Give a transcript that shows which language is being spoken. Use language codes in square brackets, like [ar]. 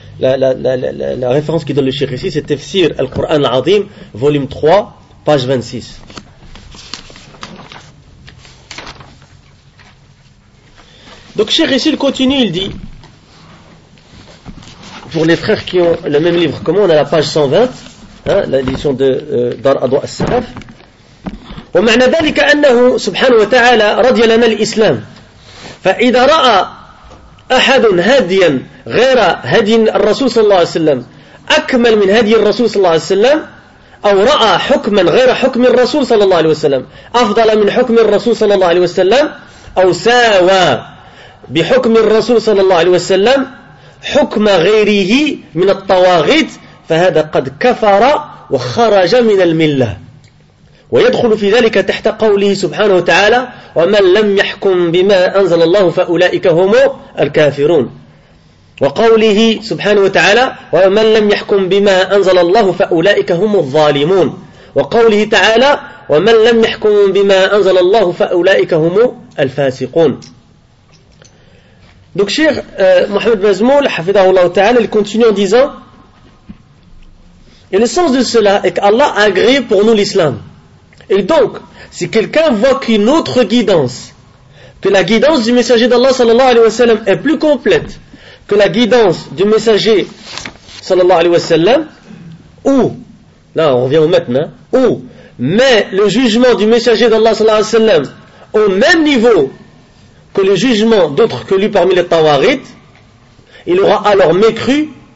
[fr] La référence qui donne le cheikh ici, c'est Tafsir al-Qur'an al-Azim, volume 3, page 26. Donc, cher ici, il continue, il dit, pour les frères qui ont le même livre que moi, on a la page 120, hein, l'édition de Dar Adwa al-Salaf. [ar] ومعنى ذلك أنه سبحانه وتعالى رضي لنا الإسلام فإذا رأى أحد هاديا غير هدي الرسول صلى الله عليه وسلم أكمل من هدي الرسول صلى الله عليه وسلم أو رأى حكما غير حكم الرسول صلى الله عليه وسلم أفضل من حكم الرسول صلى الله عليه وسلم أو ساوى بحكم الرسول صلى الله عليه وسلم حكم غيره من الطواغيت فهذا قد كفر وخرج من الملة ويدخل في ذلك تحت قوله سبحانه وتعالى ومن لم يحكم بما أنزل الله فأولئك هم الكافرون وقوله سبحانه وتعالى ومن لم يحكم بما أنزل الله فأولئك هم الظالمون وقوله تعالى ومن لم يحكم بما أنزل الله فأولئك هم الفاسقون. [fr] Donc, Cheikh Mohamed Mazmoul, hafidahullah ta'ala, il continue en disant, et le sens de cela est qu'Allah a agréé pour nous l'islam. Et donc, si quelqu'un voit qu'une autre guidance, que la guidance du messager d'Allah sallallahu alayhi wa sallam est plus complète que la guidance du messager sallallahu alayhi wa sallam, ou, là on revient au maître, hein, ou met le jugement du messager d'Allah sallallahu alayhi wa sallam au même niveau que le jugement d'autres que lui parmi les tawarites, il aura alors mécru